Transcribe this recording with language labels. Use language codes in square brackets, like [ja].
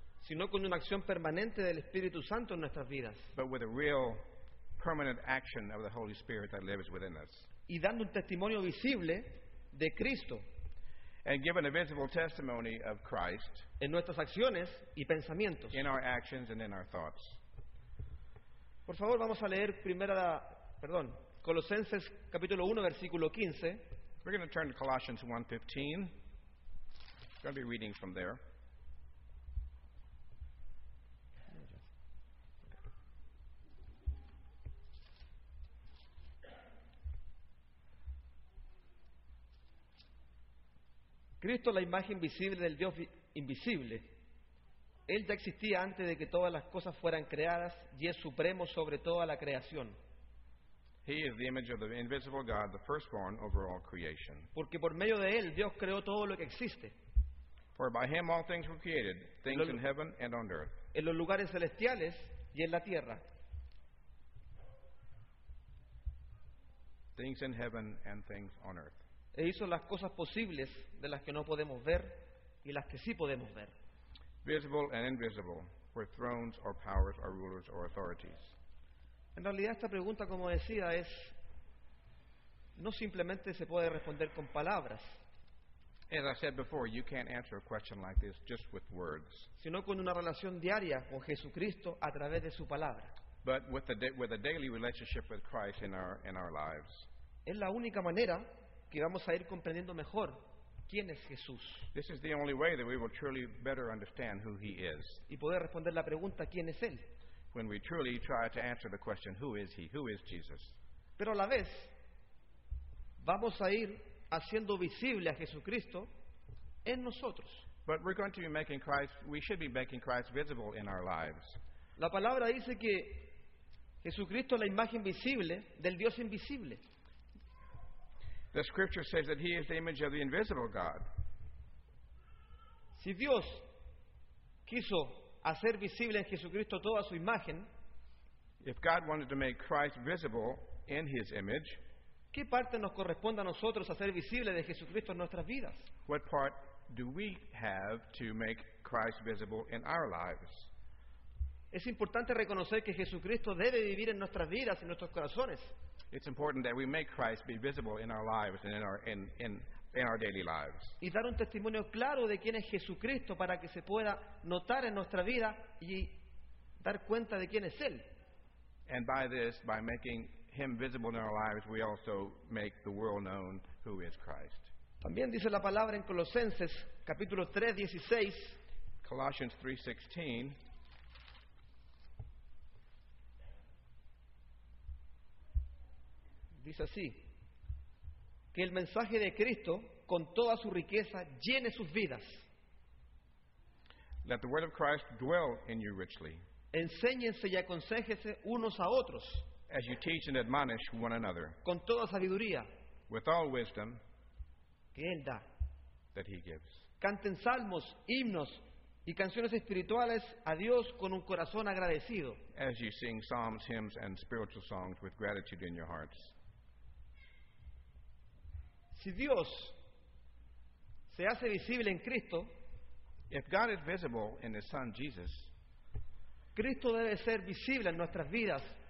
[es] Sino con una acción permanente del Espíritu Santo en nuestras vidas. [en] But with a real permanent action of the Holy Spirit that lives within us. [es] Y dando un testimonio visible de Cristo. [en] And giving a visible testimony of Christ. [es] En nuestras acciones y pensamientos. [en] In our actions and in our thoughts. [es] Por favor, vamos a leer Colosenses capítulo 1, versículo 15. [en] We're going to turn to Colossians 1:15. We're going to be reading from there. [es] Cristo es la imagen visible del Dios invisible. Él ya existía antes de que todas las cosas fueran creadas y es supremo sobre toda la creación. [en] He is the image of the invisible God, the firstborn over all creation. [es] Porque por medio de él Dios creó todo lo que existe. [en] For by him all things were created, things in heaven and on earth. [es] En los lugares celestiales y en la tierra. [en] Things in heaven and things on earth. [es] E hizo las cosas posibles de las que no podemos ver y las que sí podemos ver. [en] Visible and invisible, where thrones or powers or rulers or authorities. [es] En realidad esta pregunta, como decía, es no simplemente se puede responder con palabras. [en] As I said before, you can't answer a question like this just with words. [es] Sino con una relación diaria con Jesucristo a través de su palabra. [en] But with a daily relationship with Christ in our lives. [es] Es la única manera que vamos a ir comprendiendo mejor quién es Jesús. [en] This is the only way that we will truly better understand who he is. [es] Y poder responder la pregunta quién es él. [en] When we truly try to answer the question who is he, who is Jesus. [es] Pero a la vez vamos a ir haciendo visible a Jesucristo en nosotros. [en] But we're going to be making Christ, we should be making Christ visible in our lives. [es] La palabra dice que Jesucristo es la imagen visible del Dios invisible. [en] The scripture says that he is the image of the invisible God. [es] Si Dios quiso hacer visible en Jesucristo toda su imagen, [en] if God wanted to make Christ visible in his image, [es] ¿qué parte nos corresponde a nosotros hacer visible de Jesucristo en nuestras vidas? [en] What part do we have to make Christ visible in our lives? [es] Es importante reconocer que Jesucristo debe vivir en nuestras vidas y en nuestros corazones. [en] It's important that we make Christ be visible in our lives and in our daily lives. [es] Y dar un testimonio claro de quién es Jesucristo para que se pueda notar en nuestra vida y dar cuenta de quién es él. [en] And by this, by making him visible in our lives, we also make the world known who is Christ. [es] También dice la palabra en Colosenses capítulo 3, 16. [en] Colossians 3:16. [es] Dice así, que el mensaje de Cristo con toda su riqueza llene sus vidas. [en] Let the word of Christ dwell in you richly. [es] Enséñense y aconséjense unos a otros. [en] As you teach and admonish one another. [es] Con toda sabiduría. [en] With all wisdom. [es] Que Él da. [en] That He gives. [es] Canten salmos, himnos y canciones espirituales a Dios con un corazón agradecido. [en] As you sing psalms, hymns and spiritual songs with gratitude in your hearts. [es] Si Dios se hace visible en Cristo, [en] if God is visible in His Son Jesus, [es] Cristo debe ser visible en nuestras vidas.